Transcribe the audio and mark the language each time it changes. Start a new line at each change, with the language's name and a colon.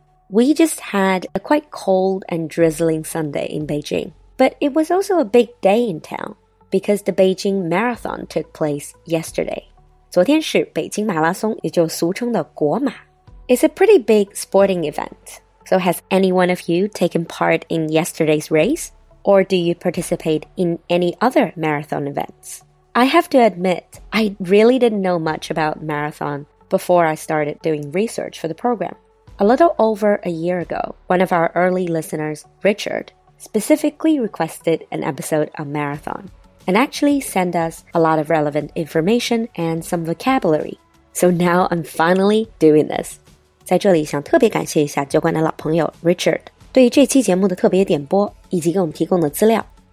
English: We just had a quite cold and drizzling Sunday in Beijing, but it was also a big day in town because the Beijing Marathon took place yesterday.
Chinese: 昨天是北京马拉松，也就俗称的国马。
English: It's a pretty big sporting event. So has any one of you taken part in yesterday's race? Or do you participate in any other marathon events? I have to admit, I really didn't know much about marathon before I started doing research for the program. A little over a year ago, one of our early listeners, Richard, specifically requested an episode on marathon and actually sent us a lot of relevant information and some vocabulary. So now I'm finally doing this.
Chinese: 在这里想特别感谢一下酒馆的老朋友 Richard 对于这期节目的特别点播以及给我们提供的资料。